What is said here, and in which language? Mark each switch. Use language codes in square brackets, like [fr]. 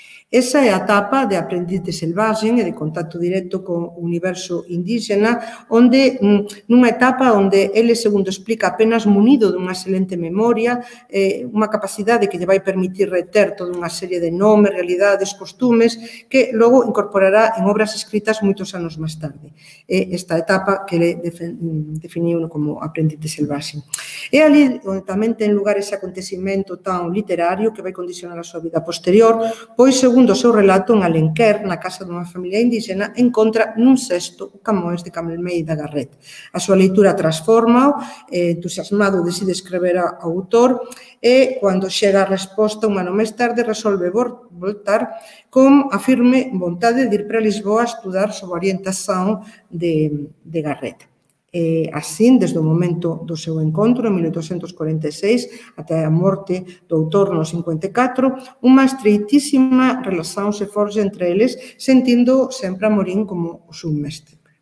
[pt] Essa é a etapa de aprendiz de selvagem e de contato direto com o universo indígena, [gl] onde, numa etapa onde ele, segundo explica, apenas munido dunha excelente memoria, unha capacidade que lle vai permitir reter toda unha serie de nomes, realidades, costumes, que logo incorporará en obras escritas moitos anos máis tarde. É esta etapa que ele definiu como aprendiz de selvagem. É ali onde tamén ten lugar ese acontecimento tan literario que vai condicionar a súa vida posterior, pois, segundo o seu relato, en Alenquer, na casa dunha familia indígena, encontra nun cesto o Camões de Camelmeida Garret. A súa leitura transforma-o, entusiasmado decide escrever ao autor, e, cando chega a resposta un ano máis tarde, resolve voltar con a firme vontade de ir para Lisboa a estudar sobre a orientación de Garret. [pt] Assim, desde o momento do seu encontro, em 1846, até a morte do autor, no 54, uma estreitíssima relação se forja entre eles, sentindo sempre a Morim como o seu mestre.